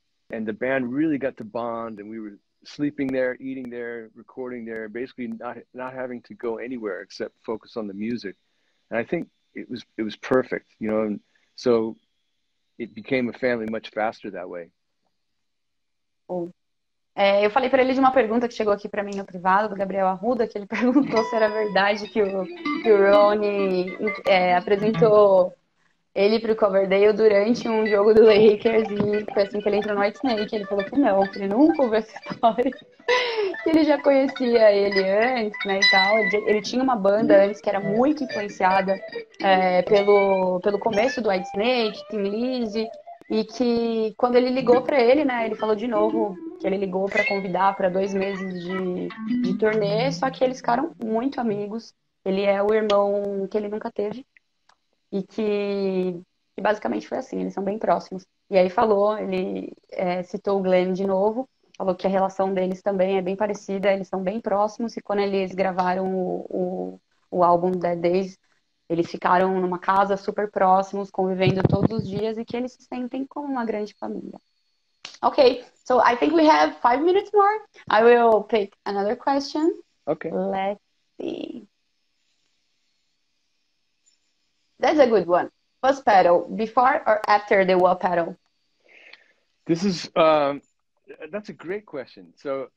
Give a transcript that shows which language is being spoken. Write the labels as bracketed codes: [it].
[en] And the band really got to bond, and we were sleeping there, eating there, recording there, basically not having to go anywhere except focus on the music. And I think it was perfect, you know. And so it became a family much faster that way. Oh. [pt] Eu falei para ele de uma pergunta que chegou aqui para mim no privado, do Gabriel Arruda, que ele perguntou se era verdade que o Ronnie apresentou ele pro Coverdale durante um jogo do Lakers, e foi assim que ele entrou no Whitesnake. Ele falou que não, que ele nunca ouviu essa história, que ele já conhecia ele antes, né, e tal. Ele tinha uma banda antes que era muito influenciada pelo começo do Whitesnake, Thin Lizzy, e que quando ele ligou para ele, né, ele falou de novo que ele ligou para convidar para 2 meses de turnê, só que eles ficaram muito amigos. Ele é o irmão que ele nunca teve. E que basicamente foi assim, eles são bem próximos. E aí falou, ele citou o Glenn de novo, falou que a relação deles também é bem parecida, eles são bem próximos, e quando eles gravaram o álbum Dead Days, eles ficaram numa casa super próximos, convivendo todos os dias, e que eles se sentem como uma grande família. [en] Okay, so I think we have 5 minutes more. I will pick another question. Okay. Let's see. That's a good one. First pedal, before or after the wah pedal? This is, that's a great question. So